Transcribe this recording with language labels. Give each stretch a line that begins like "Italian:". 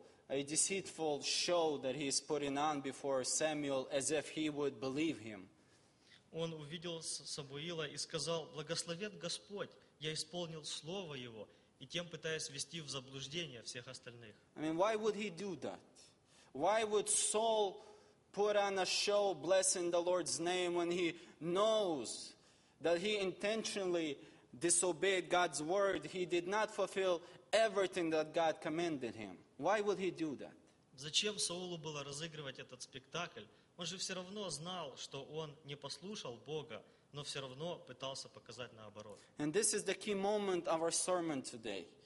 English: A deceitful show that he is putting on before Samuel as if he would believe him.
Russian: Он увидел Самуила и сказал, благословен Господь, я исполнил слово его, и тем пытаясь ввести в заблуждение всех остальных.
English: I mean, why would he do that? Why would Saul put on a show blessing the Lord's name when he knows that he intentionally disobeyed God's word? He did not fulfill everything that God commanded him. Why would he do that?
Russian: Зачем Саулу было разыгрывать этот спектакль? Он же все равно знал, что он не послушал Бога, но все равно пытался показать наоборот.
English: And this is the key moment of our sermon today.